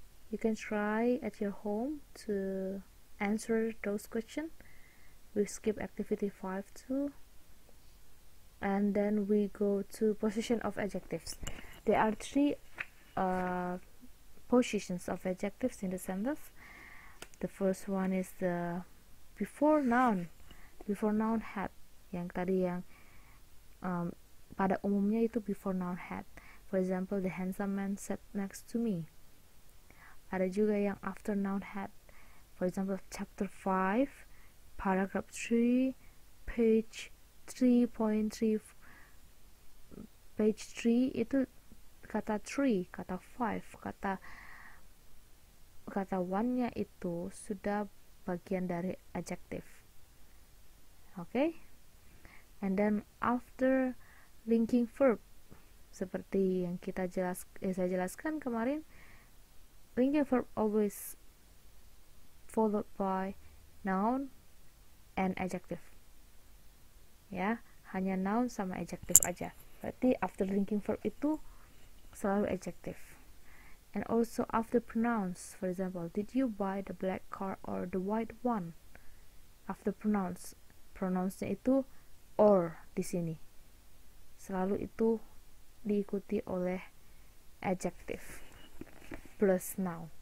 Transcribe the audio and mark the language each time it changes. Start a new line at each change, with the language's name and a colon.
English: You can try at your home to answer those questions. We skip activity 5 too. And then we go to position of adjectives. There are three positions of adjectives in the sentence. The first one is the before noun head
Indonesian: yang tadi yang pada umumnya itu
English: before noun head. For example, the handsome man sat next to me.
Indonesian: Ada juga yang after noun head.
English: For example, chapter 5, paragraph 3, page 3.3, page 3
Indonesian: itu kata 3, kata 5, kata one-nya itu sudah bagian dari
English: adjective. Okay? And then after linking verb
Indonesian: seperti yang saya jelaskan kemarin,
English: linking verb always followed by noun and adjective.
Indonesian: Ya, hanya noun sama adjective aja. Berarti after linking verb itu selalu adjective.
English: And also after pronouns, for example, did you buy the black car or the white one? After pronouns,
Indonesian: pronounsnya itu or di sini. Selalu itu diikuti oleh adjective plus noun.